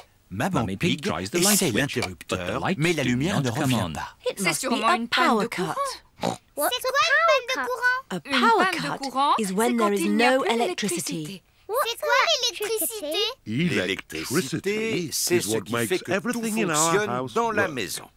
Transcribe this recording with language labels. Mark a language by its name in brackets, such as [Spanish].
[French] Maman Pig essaie l'interrupteur, mais la lumière ne revient pas. C'est sûrement une panne de courant. C'est quoi une panne de courant? [English] A power cut is when there is no electricity. [French] C'est quoi l'électricité? L'électricité, c'est ce qui fait que tout fonctionne dans la maison.